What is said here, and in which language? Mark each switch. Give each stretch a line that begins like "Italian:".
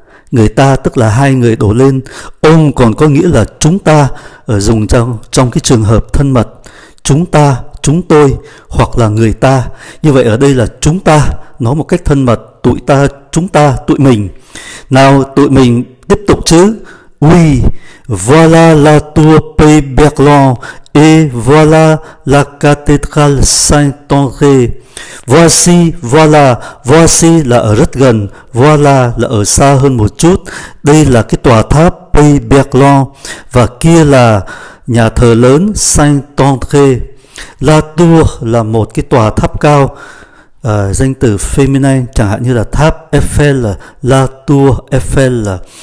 Vietnamese: Người ta tức là hai người đổ lên. On còn có nghĩa là chúng ta, ở dùng trong cái trường hợp thân mật. Chúng ta, chúng tôi, hoặc là người ta. Như vậy ở đây là chúng ta, nói một cách thân mật, tụi ta, chúng ta, tụi mình. Nào tụi mình tiếp tục chứ.
French: Oui, voilà la tour Pays-Berlan et voilà la cathédrale Saint-André.
Vietnamese: Voici, voilà, voici là ở rất gần, voilà là ở xa hơn một chút. Đây là cái tòa tháp Pays-Berlan và kia là nhà thờ lớn Saint-André. La tour là một cái tòa tháp cao, danh từ feminine, chẳng hạn như là tháp Eiffel, la tour Eiffel.